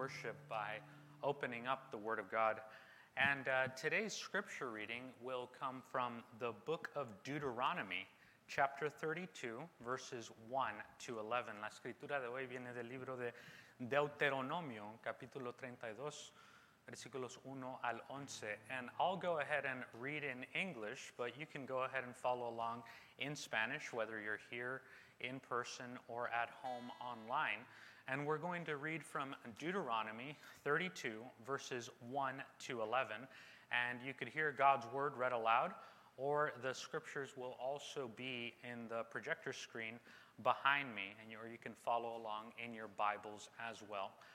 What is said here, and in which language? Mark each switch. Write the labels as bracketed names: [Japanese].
[English] worship by opening up the Word of God. And today's scripture reading will come from the book of Deuteronomy, chapter 32, verses 1 to 11. [Spanish] La escritura de hoy viene del libro de Deuteronomio, capítulo 32, versículos 1 al 11. [English] And I'll go ahead and read in English, but you can go ahead and follow along in Spanish, whether you're here in person or at home online. And we're going to read from Deuteronomy 32, verses 1 to 11. And you could hear God's word read aloud, or the scriptures will also be in the projector screen behind me, and you, or you can follow along in your Bibles as well.